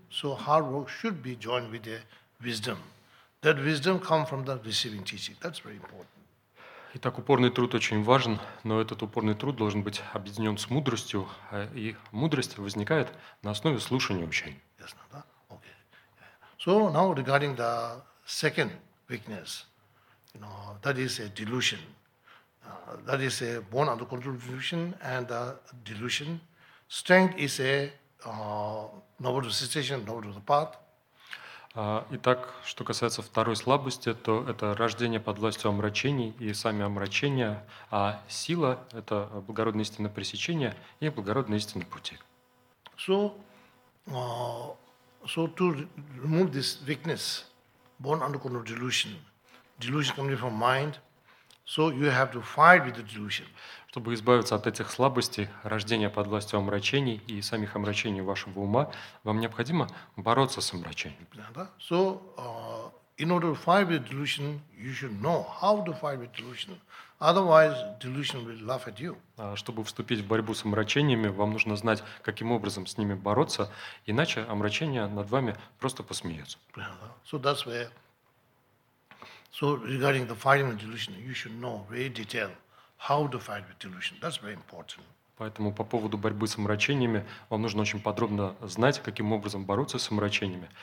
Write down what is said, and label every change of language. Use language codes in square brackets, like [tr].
[en] So hard work should be joined with the wisdom. That wisdom comes from the receiving teaching. That's very important. [ru] Итак, упорный труд очень важен, но этот упорный труд должен быть объединен с мудростью, и мудрость возникает на основе слушания учения. Ясно, да? Okay. [en] So now regarding the second weakness, you know, that is a delusion. That is a born under control delusion and a delusion. Strength is a novel situation, novel the path. [ru] Итак, что касается второй слабости, то это рождение под властью омрачений и сами омрачения, а сила – это благородное истинное пресечение и благородное истинное пути. [en] So to remove this weakness, born under control of delusion, delusion coming from mind, so you have to fight with the delusion. [ru] Чтобы избавиться от этих слабостей, рождения под властью омрачений и самих омрачений вашего ума, вам необходимо бороться с омрачением. [en] So, in order to fight with delusion, you should know how to fight with delusion. Otherwise, delusion will laugh at you. [ru] Чтобы вступить в борьбу с омрачениями, вам нужно знать, каким образом с ними бороться, иначе омрачение над вами просто посмеется. [en] So that's where. So regarding the fighting with delusion, you should know very detailed. How to fight with delusion? That's very important. [ru] Поэтому по поводу борьбы с омрачениями вам нужно очень подробно знать, каким образом бороться с омрачениями.